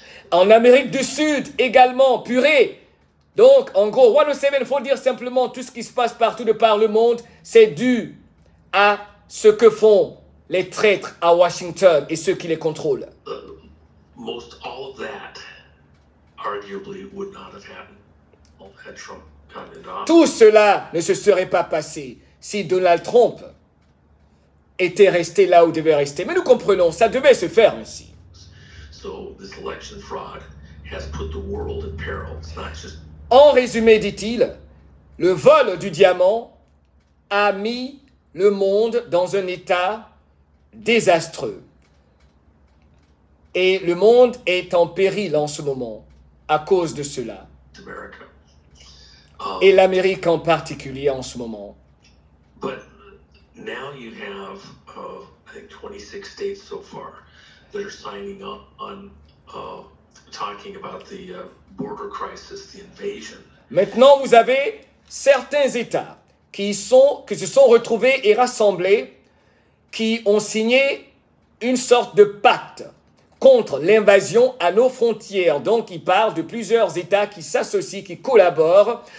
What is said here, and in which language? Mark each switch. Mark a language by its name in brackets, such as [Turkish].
[French] En Amérique du Sud également, purée. Donc, en gros, 107, il faut dire simplement tout ce qui se passe partout de par le monde, c'est dû à ce que font les traîtres à Washington et ceux qui les contrôlent. [English] Most all of that, arguably, would not have happened. Trump [French] tout cela ne se serait pas passé si Donald Trump était resté là où devait rester. Mais nous comprenons, ça devait se faire ainsi. [English] So, this election fraud has put the world in peril. It's not just... [French] En résumé, dit-il, le vol du diamant a mis le monde dans un état désastreux. Et le monde est en péril en ce moment à cause de cela. Et l'Amérique en particulier en ce moment. [English] But now you have, I think 26 states so far that are signing up on talking about the border crisis, the invasion. [French] Maintenant, vous avez certains États qui se sont retrouvés et rassemblés, qui ont signé une sorte de pacte contre l'invasion à nos frontières. Donc, il parle de plusieurs États qui s'associent, qui collaborent.